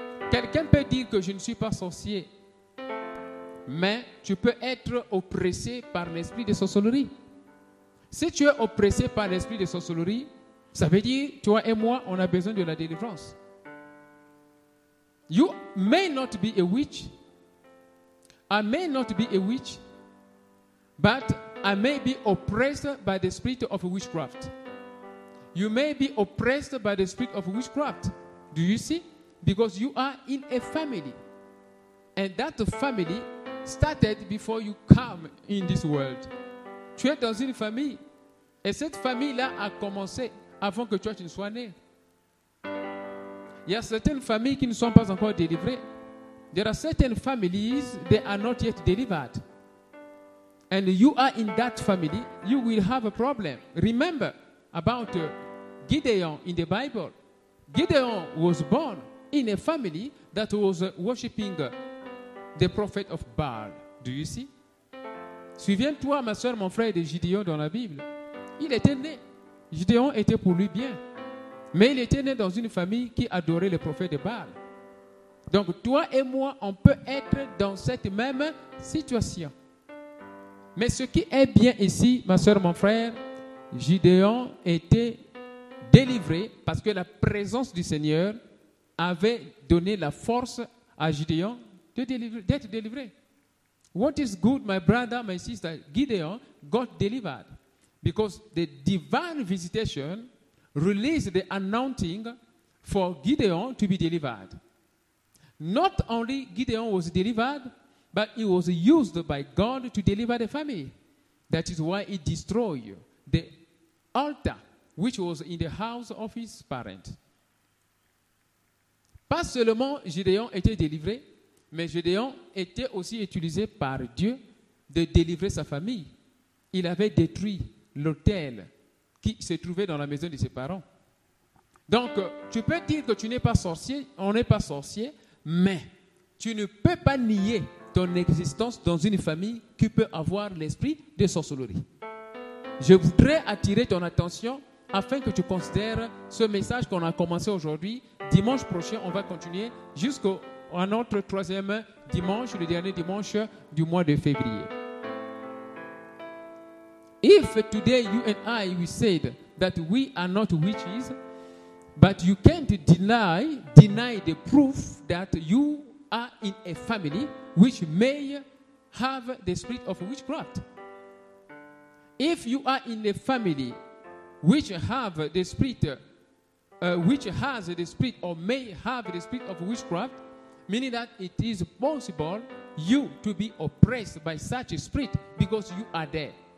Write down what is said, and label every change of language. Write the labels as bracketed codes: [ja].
[fr] Quelqu'un peut dire que je ne suis pas sorcier, mais tu peux être oppressé par l'esprit de sorcellerie. Si tu es oppressé par l'esprit de sorcellerie, ça veut dire toi et moi, on a besoin de la délivrance. [en] You may not be a witch. I may not be a witch, but I may be oppressed by the spirit of witchcraft. You may be oppressed by the spirit of witchcraft. Do you see? Because you are in a family. And that family started before you come in this world. [fr] Tu es dans une famille. Et cette famille-là a commencé avant que toi tu ne sois né. Il y a certaines familles qui ne sont pas encore délivrées. [en] There are certain families that are not yet delivered. And you are in that family, you will have a problem. Remember about Gideon in the Bible. Gideon was born in a family that was worshipping the prophet of Baal. Do you see? [fr] Souviens-toi, ma soeur, mon frère, de Gideon dans la Bible. Il était né. Gideon était pour lui bien. Mais il était né dans une famille qui adorait le prophète de Baal. Donc, toi et moi, on peut être dans cette même situation. Mais ce qui est bien ici, ma soeur, mon frère, Gideon était délivré parce que la présence du Seigneur avait donné la force à Gideon d'être délivré. [en] What is good, my brother, my sister? Gideon got delivered because the divine visitation released the anointing for Gideon to be delivered. Not only Gideon was delivered, but he was used by God to deliver the family. That is why he destroyed the altar which was in the house of his parents. [fr] Pas seulement Gideon était délivré, mais Gideon était aussi utilisé par Dieu de délivrer sa famille. Il avait détruit l'autel qui se trouvait dans la maison de ses parents. Donc, tu peux dire que tu n'es pas sorcier, on n'est pas sorcier, mais tu ne peux pas nier ton existence dans une famille qui peut avoir l'esprit de sorcellerie. Je voudrais attirer ton attention afin que tu considères ce message qu'on a commencé aujourd'hui. Dimanche prochain, on va continuer jusqu'à notre troisième dimanche, le dernier dimanche du mois de février. [en] If today you and I, we said that we are not witches, but you can't deny the proof that you are in a family which may have the spirit of witchcraft. If you are in a family which have the spirit, which has the spirit or may have the spirit of witchcraft, meaning that it is possible you to be oppressed by such a spirit because you are there.